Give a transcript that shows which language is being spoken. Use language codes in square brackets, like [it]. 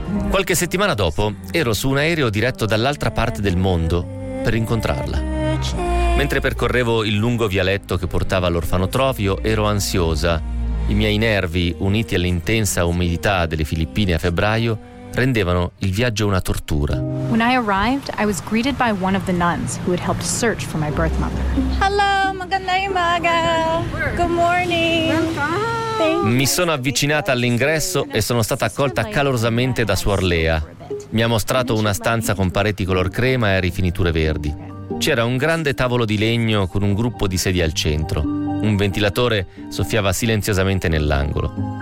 [it] Qualche settimana dopo ero su un aereo diretto dall'altra parte del mondo per incontrarla. Mentre percorrevo il lungo vialetto che portava all'orfanotrofio, ero ansiosa. I miei nervi, uniti all'intensa umidità delle Filippine a febbraio, rendevano il viaggio una tortura. [en] When I arrived, I was greeted by one of the nuns who had helped search for my birth mother. Hello, [tl] maganda umaga. [en] Good morning. [it] Mi sono avvicinata all'ingresso e sono stata accolta calorosamente da Suor Lea. Mi ha mostrato una stanza con pareti color crema e rifiniture verdi. C'era un grande tavolo di legno con un gruppo di sedie al centro. Un ventilatore soffiava silenziosamente nell'angolo.